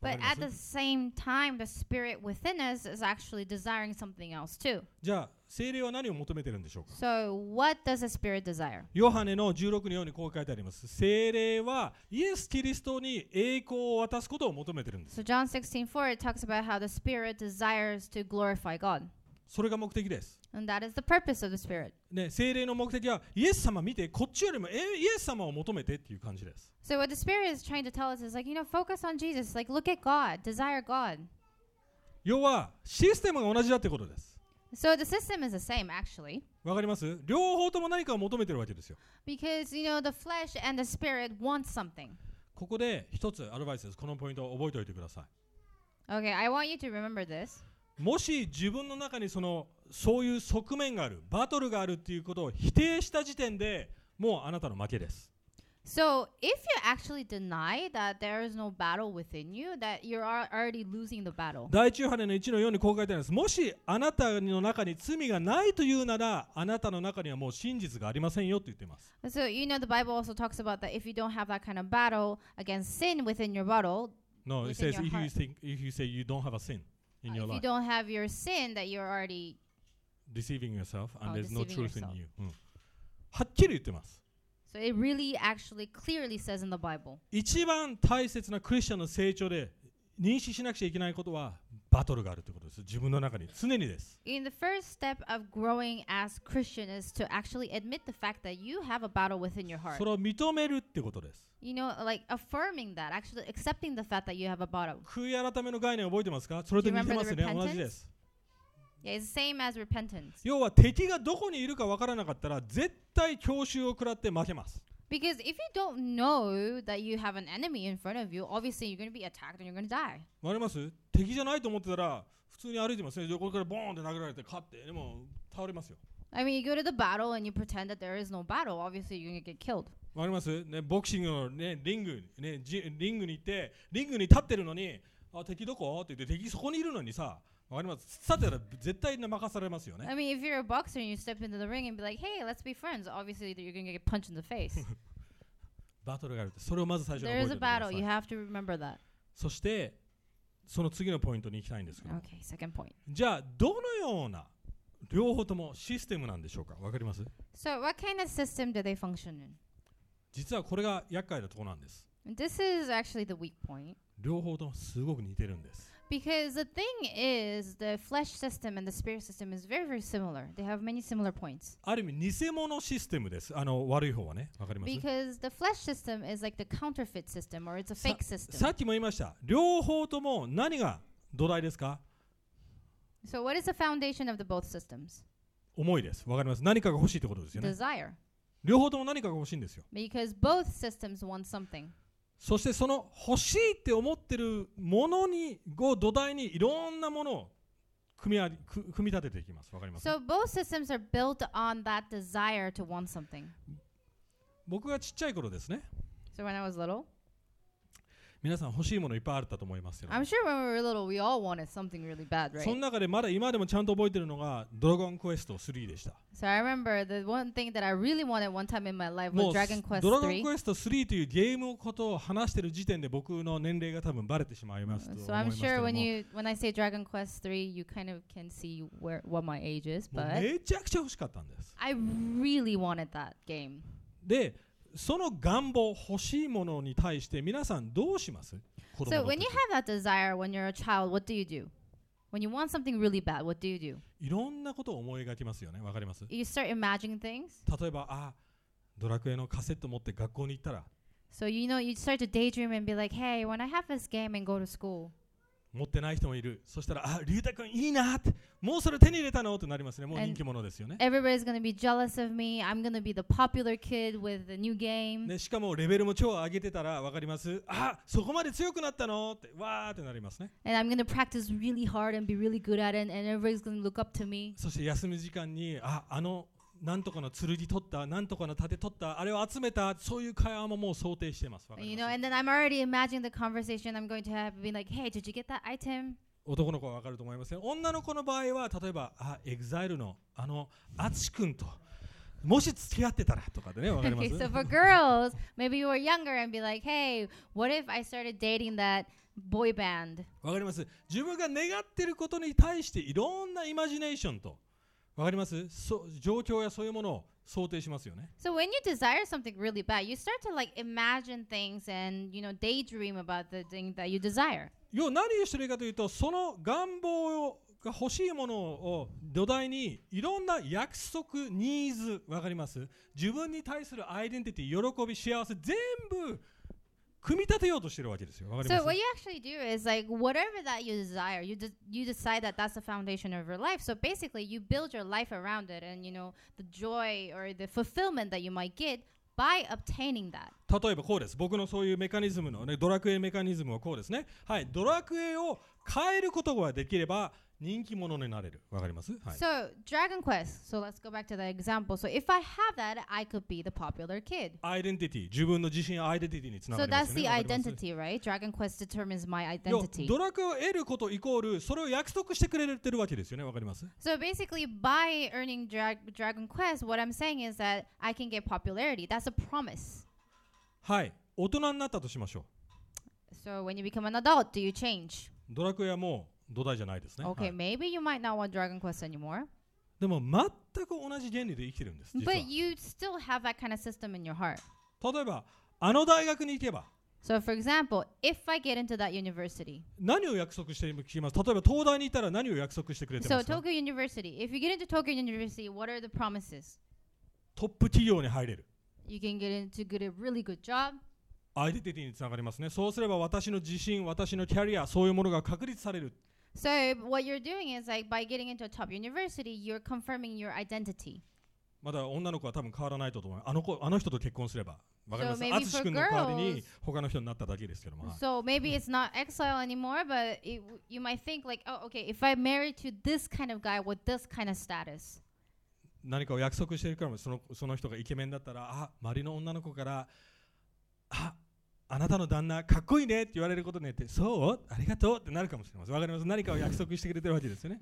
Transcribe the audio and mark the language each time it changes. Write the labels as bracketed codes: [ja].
[en] But at the same time, the spirit within us is actually desiring something else too. [ja] じゃあ聖霊は何を求めてるんでしょうか。 [en] So what does the spirit desire? [ja] ヨハネの16のようにこう書いてあります。聖霊はイエス・キリストに栄光を渡すことを求めてるんです。 [en] So John 16:4 it talks about how the spirit desires to glorify God. [ja] それが目的です。 [en] And that is the purpose of the spirit. [ja] ね、聖霊の目的はイエス様見てこっちよりもイエス様を求めてっていう感じです。 [en] So what the spirit is trying to tell us is like, you know, focus on Jesus, like look at God, desire God. [ja] 要はシステムが同じだってことです。 [en] So the system is the same, actually. [ja] わかります？両方とも何かを求めてるわけですよ。 [en] Because, you know, the flesh and the spirit want something. [ja] ここで一つアドバイスです。このポイントを覚えておいてください。 [en] Okay, I want you to remember this. [ja] もし自分の中にそういう側面がある、バトルがあるっていうことを否定した時点でもうあなたの負けです。 [en] So if you actually deny that there is no battle within you, that you are already losing the battle. [ja] 第一ヨハネの1の4にこう書いてあります。もしあなたの中に罪がないというなら、あなたの中にはもう真実がありませんよと言っています。 [en] So you know the Bible also talks about that if you don't have that kind of battle against sin within your battle. No, it says if you say you don't have a sin in your life. If you don't have your sin, that you're already deceiving yourself and there's no truth in you. [ja] はっきり言ってます。 [en] So it really actually clearly says in the Bible. [ja] 一番大切なクリスチャンの成長で認識しなくちゃいけないことはバトルがあるということです。自分の中に常にです。 [en] In the first step of growing as Christian is to actually admit the fact that you have a battle within your heart. [ja] それを認めるってことです。 [en] You know, like affirming that, actually accepting the fact that you have a battle. [ja] 悔い改めの概念覚えてますか？それと似てますね。同じです。 [en] Yeah, it's the same as repentance. [ja] 要は敵がどこにいるか分からなかったら絶対強襲を食らって負けます。 [en] Because if you don't know that you have an enemy in front of you, obviously you're going to be attacked and you're going to die. [ja] 分かります？敵じゃないと思ってたら普通に歩いてますね。横からボーンって殴られて勝って、でも倒れますよ。 [en] I mean, you go to the battle and you pretend that there is no battle, obviously you're going to get killed. [ja] 分かります？ね、ボクシングの、ね、リング、ね、リングに行って、リングに立ってるのに、あ、敵どこ？って言って、敵そこにいるのにさ。わかります。さてら絶対に任されますよね。 [en] I mean, if you're a boxer and you step into the ring and be like, "Hey, let's be friends," obviously you're gonna get punched in the face. [ja] バトルがあるって、それをまず最初に覚えてください。 [en] There is a battle. You have to remember that. [ja] そしてその次のポイントに行きたいんですけど。 [en] Okay, second point. [ja] じゃあどのような両方ともシステムなんでしょうか。わかります。 [en] So what kind of system do they function in? [ja] 実はこれが厄介なところなんです。 [en] This is actually the weak point. [ja] 両方ともすごく似てるんです。 [en] Because the thing is, the flesh system and the spirit system is very, very similar. They have many similar points. [ja] ある意味、偽物システムです。悪い方はね。わかります。 [en] Because the flesh system is like the counterfeit system or it's a fake system. [ja] さっきも言いました。両方とも何が土台ですか？ [en] So what is the foundation of the both systems? [ja] 思いです。わかります。何かが欲しいってことですよね。 [en] Desire. [ja] 両方とも何かが欲しいんですよ。 [en] Because both systems want something. [ja] そしてその欲しいって思ってるものにを土台にいろんなものを組み立てていきます。わかります。 [en] So both systems are built on that desire to want something. [ja] 僕がちっちゃい頃ですね。 [en] So when I was little, [ja] 皆さん欲しいものいっぱいあったと思いますよ。 [en] I'm sure when we were little, we all wanted something really bad, right? [ja] その中でまだ今でもちゃんと覚えてるのがドラゴンクエスト3でした。 [en] So I remember the one thing that I really wanted one time in my life was Dragon Quest 3. [ja] ドラゴンクエスト3というゲームのことを話してる時点で僕の年齢が多分バレてしまいますと思いますけども。 [en] So I'm sure when I say Dragon Quest 3, you kind of can see what my age is, but [ja] めちゃくちゃ欲しかったんです。 [en] I really wanted that game. [ja] で、その願望、欲しいものに対して皆さんどうします？子供の時。 [en] So when you have that desire when you're a child, what do you do? When you want something really bad, what do you do? [ja] いろんなことを思い描きますよね。わかります？ [en] You start imagining things. [ja] 例えば、ドラクエのカセット持って学校に行ったら。 [en] So you know, you start to daydream and be like, hey, when I have this game and go to school. [ja] 持ってない人もいる。そしたら、あ、リュウタ君いいなって、もうそれ手に入れたのとなりますね。もう人気者ですよね。 [en] Everybody's gonna be jealous of me. I'm gonna be the popular kid with the new game. [ja] ね、しかもレベルも超上げてたらわかります。あ、そこまで強くなったのって、わーってなりますね。 [en] And I'm gonna practice really hard and be really good at it, and everybody's gonna look up to me. [ja] そして休み時間に、あ、あのなんとかの剣取った、なんとかの盾取った、あれを集めた、そういう会話ももう想定してます。 [en] You know, and then I'm already imagining the conversation I'm going to have, being like, hey, did you get that item? [ja] 男の子はわかると思いますね。女の子の場合は、例えば、あ、EXILE のあのアチ君と、もし付き合ってたらとかでね、わかります。 [en] Okay, so for girls, maybe you were younger and be like, hey, what if I started dating that? Boy band. [ja] わかります。自分が願ってることに対していろんなイマジネーションと、わかります？状況やそういうものを想定しますよね。 [en] So when you desire something really bad, you start to like imagine things and you know daydream about the thing that you desire. [ja] 要は何をしているかというと、その願望が欲しいものを土台にいろんな約束、ニーズ、わかります？自分に対するアイデンティティ、喜び、幸せ、全部。組み立てようとしてるわけですよ。わかります [en] ？ So what you actually do is like whatever that you desire, you decide that that's the foundation of your life. So basically, you build your life around it, and you know the joy or the fulfillment that you might get by obtaining that. [ja] 例えばこうです。僕のそういうメカニズムのね、ドラクエメカニズムはこうですね。はい、ドラクエを変えることができれば人気者になれる。わかります？はい。 [en] So Dragon Quest. So let's go back to that example. So if I have that, I could be the popular kid. Identity. [ja] 自分の自信、アイデンティティにつながりますよね。 [en] So that's the identity, right? Dragon Quest determines my identity. [ja] ドラクエを得ることイコールそれを約束してくれてるわけですよね。わかります？ [en] So basically, by earning Dragon Quest, what I'm saying is that I can get popularity. That's a promise. [ja] はい。大人になったとしましょう。 [en] So when you become an adult, do you change? [ja] ドラクエはもう土台じゃないですね。 [en] Okay, maybe you might not want Dragon Quest anymore. [ja] でも全く同じ原理で生きてるんです。 [en] But you still have that kind of system in your heart. [ja] 例えばあの大学に行けば。 [en] So for example, if I get into that university. [ja] 何を約束してきます。例えば東大に行ったら何を約束してくれてますか。 [en] So Tokyo University. If you get into Tokyo University, what are the promises? [ja] トップ企業に入れる。 [en] You can get into get a really good job. [ja] アイデンティティにつながりますね。そうすれば私の自信、私のキャリア、そういうものが確立される。 [en] So what you're doing is like by getting into a top university, you're confirming your identity. [ja] まだ女の子は多分変わらないと思う。あの人と結婚すれば、わかります。 [en] So、maybe [ja] 淳君の代わりに他の人になっただけですけども。 [en] So maybe it's not exile anymore, but you might think like, oh, okay, if I marry to this kind of guy with this kind of status. [ja] 何かを約束しているからも、その人がイケメンだったら、あ、周りの女の子から。あなたの旦那かっこいいねって言われることねって、そう、ありがとうってなるかもしれません。わかります？何かを約束してくれてるわけですよね。